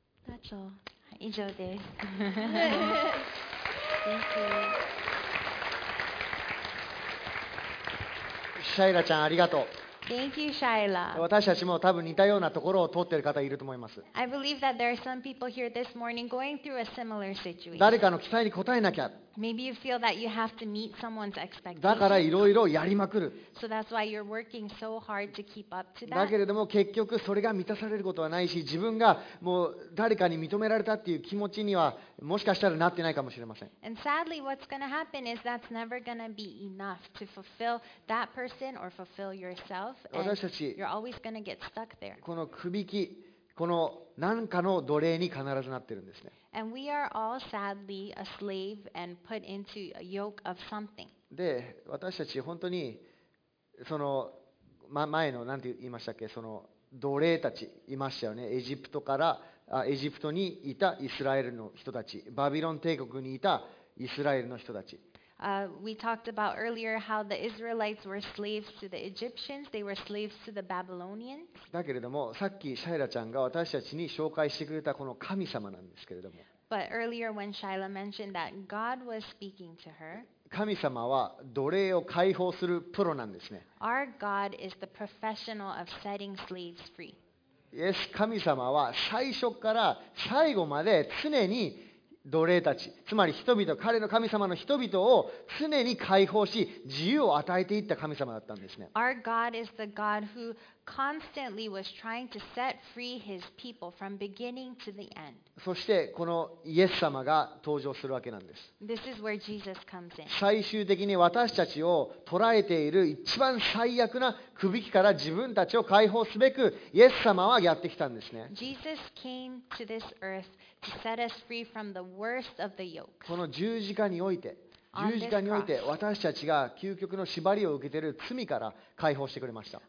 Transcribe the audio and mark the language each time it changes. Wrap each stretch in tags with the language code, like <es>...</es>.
<en>That's all.</en> <ja>以上です</ja> <en>Thank you.</en> <ja>シャイラちゃんありがとう</ja> <en>Thank you, Shaila.</en> <ja>私たちも多分似たようなところを通っている方いると思います。</ja> <en>I believe that there are some people here this morning going through a similar situation.</en> <ja>誰かの期待に応えなきゃ。</ja> <en>Maybe you feel that you have to meet someone's expectations.</en> <ja>だからいろいろやりまくる。</ja> <en>So that's why you're working so hard to keep up to that.</en> <ja>だけれども結局それが満たされることはないし、自分がもう誰かに認められたっていう気持ちにはもしかしたらなってないかもしれません。</ja> <en>And sadly, what's going to happen is that's never going to be enough to fulfill that person or fulfill yourself.</en> <ja>私たちこの首輝きこの何かの奴隷に必ずなってるんですね。</ja> <en>And we are all sadly a slave and put into a yoke of something.</en> <ja>で私たち本当にその、ま、前の何て言いましたっけその奴隷たちいましたよね。エジプトからエジプトにいたイスラエルの人たち、バビロン帝国にいたイスラエルの人たち。</ja> <en>We talked about earlier how the Israelites were slaves to the Egyptians. They were slaves to the Babylonians.</en> <ja>だけれども、さっきシャイラちゃんが私たちに紹介してくれたこの神様なんですけれども。</ja> <en>But earlier when Shaila mentioned that God was speaking to her.</en> <ja>神様は奴隷を解放するプロなんですね。</ja> <en>Our God is the professional of setting slaves free.</en> <ja>Yes, 神様は最初から最後まで常に奴隷たち、つまり人々、彼の神様の人々を常に解放し、自由を与えていった神様だったんですね。</ja> <en>Our God is the God who constantly was trying to set free His people from beginning to the end.</en> <ja>そしてこのイエス様が登場するわけなんです。</ja> <en>This is where Jesus comes in.</en> <ja>最終的に私たちを捉えている一番最悪な首輝きから自分たちを解放すべくイエス様はやってきたんですね。</ja> <en>Jesus came to this earth.To set us free from the worst of the yoke.</en> <ja>この十字架において、十字架において私たちが究極の縛りを受けている罪から解放してくれました。</ja>